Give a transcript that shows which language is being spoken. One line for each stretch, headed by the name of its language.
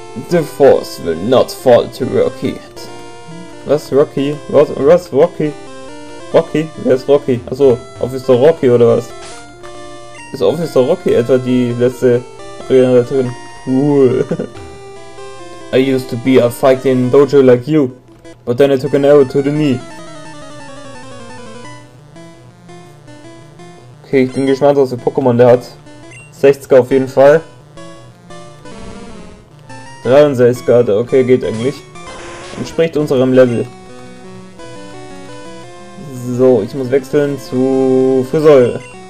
English: The Force will not fall to Rocky.
German: Was,
English: Rocky?
German: Was, Rocky? Rocky? Wer ist Rocky? Achso, Officer Rocky oder was? Ist Officer Rocky etwa die letzte Arena-Leiterin? Cool.
English: I used to be a fighting dojo like you, but then I took an arrow to the knee.
German: Okay, ich bin gespannt, was für Pokémon der hat. 60er auf jeden Fall. 63er, okay, geht eigentlich. Entspricht unserem Level. So, ich muss wechseln zu Frisäure.